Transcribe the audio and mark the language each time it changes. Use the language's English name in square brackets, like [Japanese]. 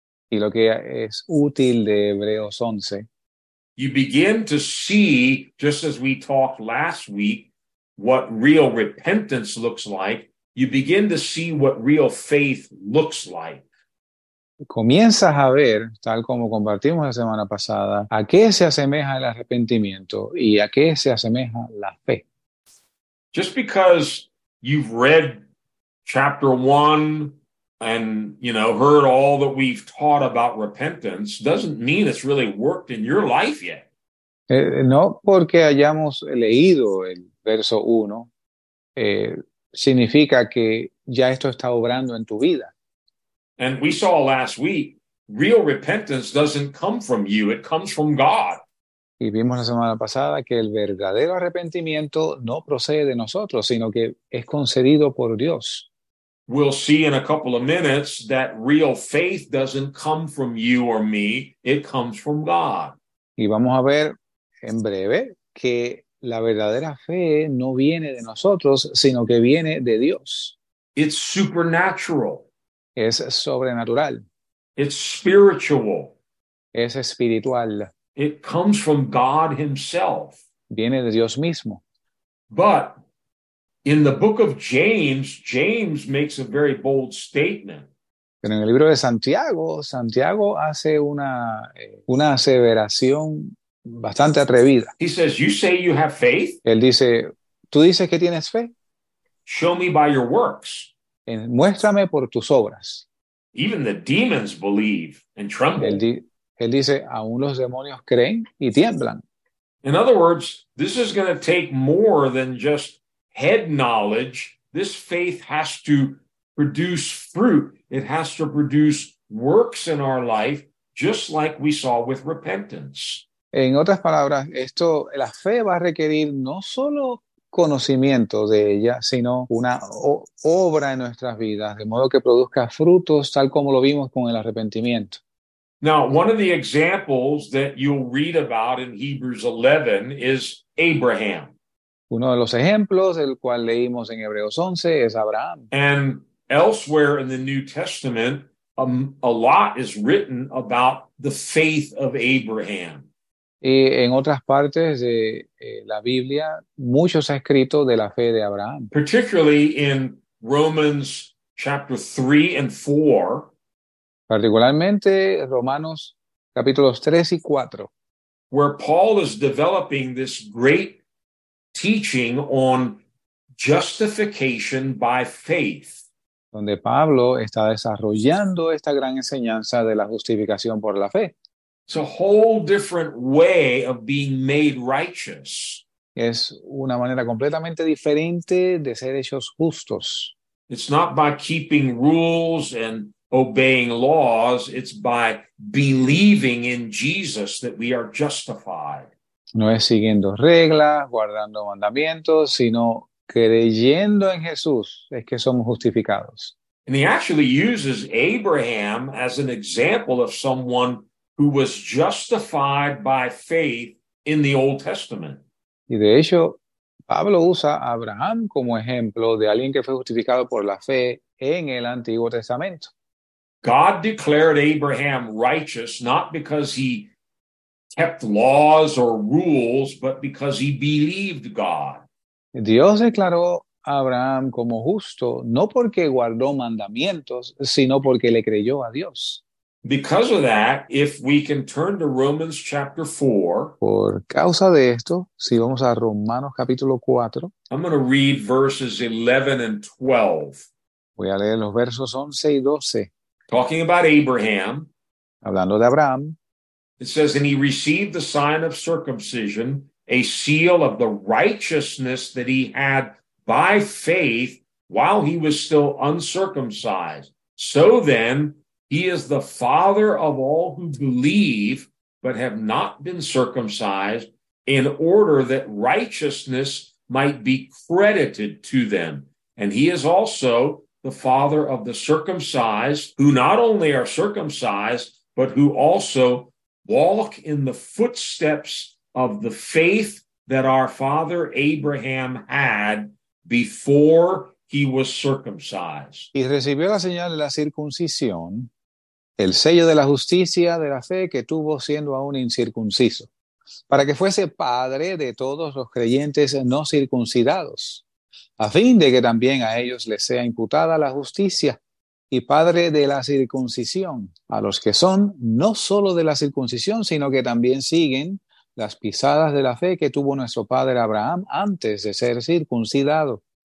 [Spanish] y lo que es útil de Hebreos 11. [English] You begin to see, just as we talked last week, what real repentance looks like, you begin to see what real faith looks like. [Spanish] Comienzas a ver, tal como compartimos la semana pasada, a qué se asemeja el arrepentimiento y a qué se asemeja la fe. [English] Just because you've read chapter one and, you know, heard all that we've taught about repentance doesn't mean it's really worked in your life yet. [Spanish] No porque hayamos leído el verso uno, significa que ya esto está obrando en tu vida. [English] And we saw last week, real repentance doesn't come from you, it comes from God. [Spanish] Y vimos la semana pasada que el verdadero arrepentimiento no procede de nosotros, sino que es concedido por Dios. [English] We'll see in a couple of minutes that real faith doesn't come from you or me, it comes from God. [Spanish] Y vamos a ver en breve que la verdadera fe no viene de nosotros, sino que viene de Dios. [English] It's supernatural. [Spanish] Es sobrenatural. [English] It's spiritual. [Spanish] Es espiritual. [English] It comes from God himself. [Spanish] Viene de Dios mismo. [English] But in the book of James, James makes a very bold statement. [Spanish] Pero en el libro de Santiago, Santiago hace una aseveración bastante atrevida. [English] He says, you say you have faith? [Spanish] Él dice, ¿tú dices que tienes fe? [English] Show me by your works. [Spanish] Muéstrame por tus obras. [English] Even the demons believe and tremble. [Spanish] Él dice, aún los demonios creen y tiemblan. [English] In other words, this is going to take more than just head knowledge. This faith has to produce fruit. It has to produce works in our life, just like we saw with repentance. [Spanish] En otras palabras, esto, la fe va a requerir no solo conocimiento de ella, sino una obra en nuestras vidas, de modo que produzca frutos, tal como lo vimos con el arrepentimiento. [English] Now, one of the examples that you'll read about in Hebrews 11 is Abraham. [Spanish] Uno de los ejemplos del cual leímos en Hebreos 11 es Abraham. [English] And elsewhere in the New Testament, a lot is written about the faith of Abraham. [Spanish] Y en otras partes de la Biblia, mucho se ha escrito de la fe de Abraham. [English] Particularly in Romans chapter 3 and 4. [Spanish] Particularmente Romanos capítulos 3 y 4. [English] Where Paul is developing this great teaching on justification by faith. [Spanish] Donde Pablo está desarrollando esta gran enseñanza de la justificación por la fe. [English] It's a whole different way of being made righteous. [Spanish] Es una manera completamente diferente de ser hechos justos. [English] It's not by keeping rules and obeying laws, it's by believing in Jesus that we are justified. [Spanish] No es siguiendo reglas, guardando mandamientos, sino creyendo en Jesús es que somos justificados. [English] And he actually uses Abraham as an example of someone who was justified by faith in the Old Testament. [Spanish] Y de hecho, Pablo usa a Abraham como ejemplo de alguien que fue justificado por la fe en el Antiguo Testamento. [English] God declared Abraham righteous not because he kept laws or rules, but because he believed God. [Spanish] Dios declaró a Abraham como justo no porque guardó mandamientos, sino porque le creyó a Dios. [English] Because of that, if we can turn to Romans chapter 4, [Spanish] por causa de esto, si vamos a Romanos capítulo 4, [English] I'm going to read verses 11 and 12. [Spanish] Voy a leer los versos 11 y 12. [English] Talking about Abraham, [Spanish] hablando de Abraham, [English] it says, and he received the sign of circumcision, a seal of the righteousness that he had by faith while he was still uncircumcised. So then, he is the father of all who believe but have not been circumcised in order that righteousness might be credited to them. And he is also the father of the circumcised who not only are circumcised but who also walk in the footsteps of the faith that our father Abraham had before he was circumcised. [Spanish] Y recibió la señal de la circuncisión. El sello de la justicia de la fe que tuvo siendo aún incircunciso. para que fuese padre de todos los creyentes no circuncidados, a fin de que también a ellos les sea imputada la justicia, y padre de la circuncisión, a los que son no solo de la circuncisión, sino que también siguen las pisadas de la fe que tuvo nuestro padre Abraham antes de ser circuncidado.